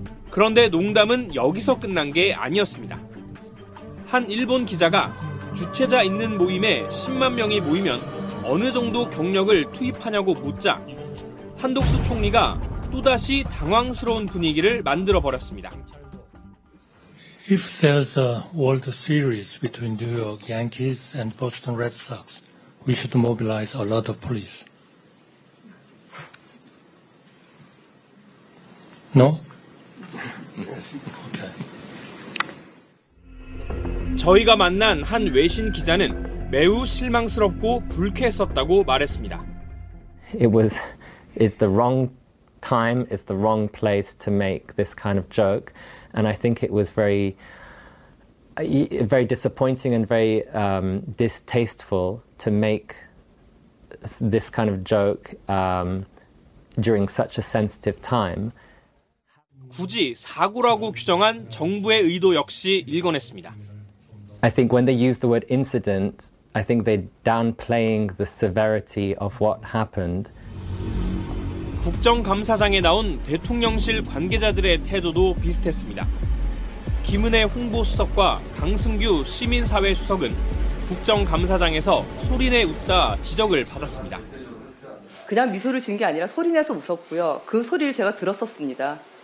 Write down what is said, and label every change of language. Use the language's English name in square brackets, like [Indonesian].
[Korean] 그런데 농담은 여기서 끝난 게 아니었습니다. 한 일본 기자가 주최자 있는 모임에 10만 명이 모이면 어느 정도 경력을 투입하냐고 묻자 한덕수 총리가 또다시 당황스러운 분위기를 만들어버렸습니다. [English] If there's a World Series between New York Yankees and Boston Red Sox, we should mobilize a lot of police. No? Okay. [Korean] 저희가 만난 한 외신 기자는 매우 실망스럽고 불쾌했었다고 말했습니다. [English] it's the wrong time, it's the wrong place to make this kind of joke. And I think it was very, very disappointing and very distasteful to make this kind of joke during such a sensitive time. [Korean] 굳이 사고라고 규정한 정부의 의도 역시 읽어냈습니다. [English] I think when they use the word incident, I think they're downplaying the severity of what happened. [Korean] 국정감사장에 나온 대통령실 관계자들의 태도도 비슷했습니다. 김은혜 홍보수석과 강승규 시민사회수석은 국정감사장에서 소리내 웃다 지적을 받았습니다. 그냥 미소를 지은 게 아니라 소리내서 웃었고요. 그 소리를 제가 들었었습니다.